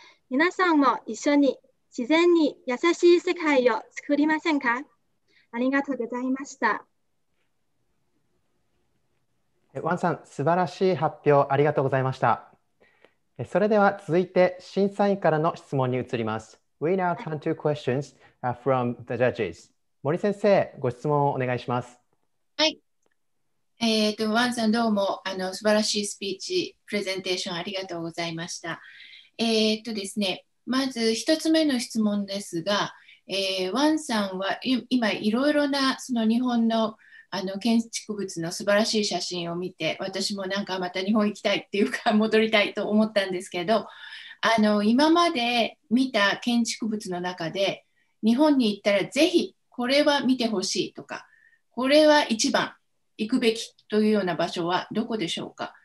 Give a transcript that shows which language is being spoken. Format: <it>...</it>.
<ja>皆さんも一緒に自然に優しい世界を作りませんか？ありがとうございました。ワンさん、素晴らしい発表ありがとうございました。それでは続いて審査員からの質問に移ります。</ja> <en>We now turn to questions from the judges.</en> <ja>森先生、ご質問をお願いします。はい、ワンさん、どうも素晴らしいスピーチプレゼンテーションありがとうございました。ですね、まず一つ目の質問ですが、ワンさんは今いろいろなその日本の建築物の素晴らしい写真を見て、私もなんかまた日本行きたいっていうか戻りたいと思ったんですけど、今まで見た建築物の中で日本に行ったらぜひこれは見てほしいとか、これは一番行くべきというような場所はどこでしょうか？</ja>